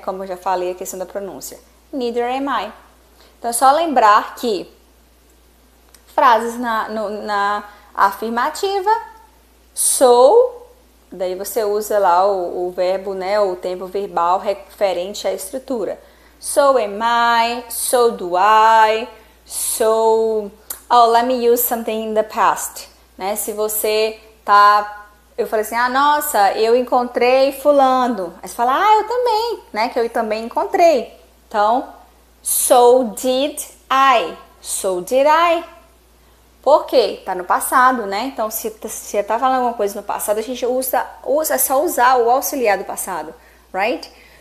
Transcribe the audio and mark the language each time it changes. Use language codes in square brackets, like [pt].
[pt] Como eu já falei, a questão da pronúncia. [en] Neither am I. [pt] Então, é só lembrar que frases na afirmativa, sou, daí você usa lá o verbo, né, o tempo verbal referente à estrutura. [en] So am I, so do I, so. Oh, let me use something in the past, né? [pt] Se você tá. Eu falei assim, ah, nossa, eu encontrei Fulano. Aí você fala, ah, eu também, né, que eu também encontrei. Então. [en] So did I. So did I. [pt] Por quê? Tá no passado, né? Então, se você tá falando alguma coisa no passado, a gente usa, é só usar o auxiliar do passado, right?